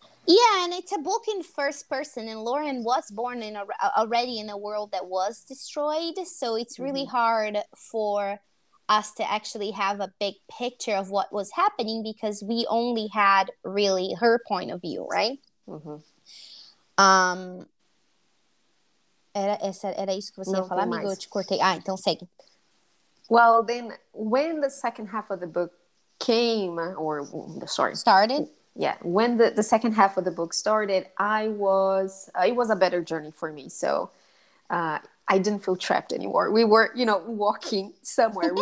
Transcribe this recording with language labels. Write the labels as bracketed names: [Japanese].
[English] Yeah, and it's a book in first person, and Lauren was born in already in a world that was destroyed, so it's really mm-hmm. hard for us to actually have a big picture of what was happening, because we only had really her point of view, right? Mm-hmm. [Portuguese] Era isso que você ia falar, amigo? Eu te cortei. Ah, então segue. [English] Well, then, when the second half of the book came, or sorry, started. Yeah, when the second half of the book started, it was a better journey for me. So, I didn't feel trapped anymore. We were, you know, walking somewhere.